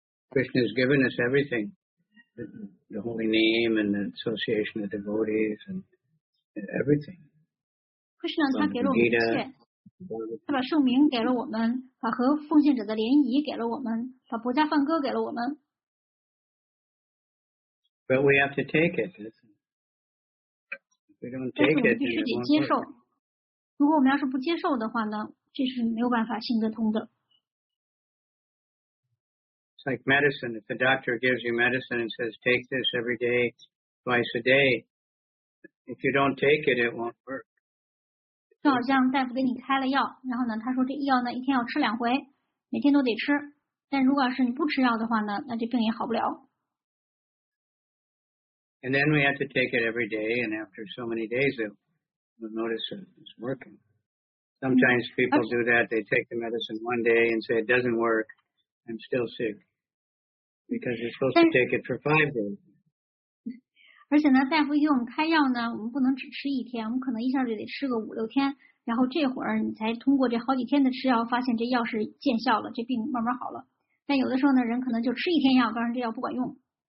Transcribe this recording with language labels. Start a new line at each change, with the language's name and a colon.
English: Krishna has given us everything, the holy name and the association of devotees and everything.
Chinese: Krishna 他给了我们一切。他把圣名给了我们，把和奉献者的联谊给了我们，把薄伽梵歌给了我们。
English: But we have to take it. If we don't take it, then we won't.
Chinese: 必须得接受。如果我们要是不接受的话呢，这是没有办法行得通的。
English: It's like medicine. If the doctor gives you medicine and says, take this every day, twice a day, if you don't take it, it won't work.
Chinese: 就好像大夫给你开了药，然后呢，他说这药呢，一天要吃两回，每天都得吃。但如果是你不吃药的话呢，那这病也好不了。
English: And then we have to take it every day, and after so many days, we'll notice it's working. Sometimes people do that, they take the medicine one day and say, it doesn't work, I'm still sick. Because you're supposed to take it for 5 days.
Chinese: 而且呢，大夫给我们开药呢，我们不能只吃一天，我们可能一下就得吃个五六天，然后这会儿你才通过这好几天的吃药，发现这药是见效了，这病慢慢好了。但有的时候呢，人可能就吃一天药，告诉这药不管用。